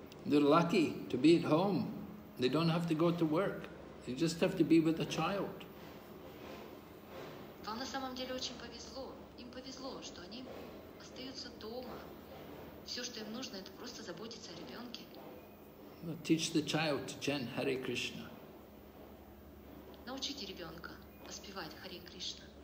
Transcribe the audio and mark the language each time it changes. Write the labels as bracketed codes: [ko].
[en] They're lucky to be at home. They don't have to go to work. They just have to be with a child. [ru] Вам на самом деле очень повезло. Им повезло, что они остаются дома. Все, что им нужно, это просто заботиться о ребенке. [en] Teach the child to chant Hare Krishna. [ru] Научите ребенка воспевать Hare Krishna.